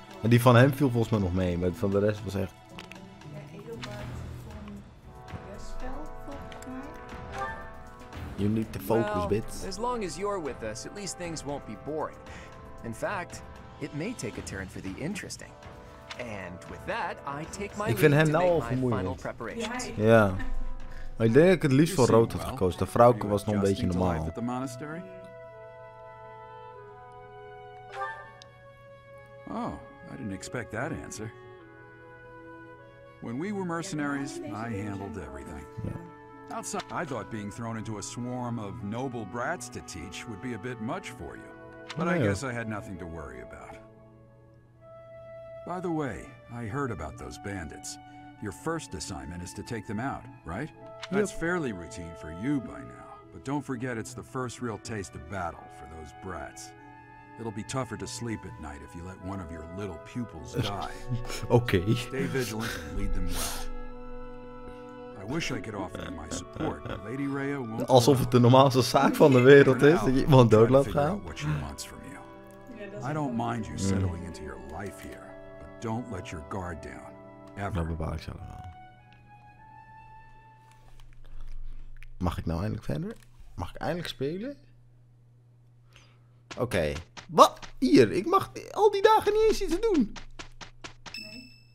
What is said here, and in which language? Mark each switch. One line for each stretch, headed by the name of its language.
Dutch: En die van hem viel volgens mij nog mee, maar van de rest was echt... Ja, Edelbert van Westveld, volgens mij.
English: You need to focus, bitch. Well, as long as you're with us, at least things won't be boring. In fact, it may take a turn for the interesting. And with that, I take my leave to make my final preparations.
Dutch: Ja. Maar ik denk dat ik het liefst voor rood had gekozen. De vrouwke was nog een beetje normaal.
English: Oh, I didn't expect that answer. When we were mercenaries, I handled everything. Outside, I thought being thrown into a swarm of noble brats to teach would be a bit much for you. But I guess I had nothing to worry about. By the way, I heard about those bandits. Your first assignment is to take them out, right? That's fairly routine for you by now, but don't forget it's the first real taste of battle for those brats. It'll be tougher to sleep at night if you let one of your little pupils die. Okay. Stay vigilant and lead them well. I wish I could offer you my support, but Lady Rhea won't.
Dutch: Alsof het de normaalste zaak van de wereld is dat je iemand dood laat gaan.
English: What she wants from you. I don't mind you settling into your life here, but don't let your guard down. Ever.
Dutch: Dat bepaal ik zo allemaal. Mag ik nou eindelijk verder? Mag ik eindelijk spelen? Oké. Okay. Wat? Hier, ik mag al die dagen niet eens iets doen. Nee.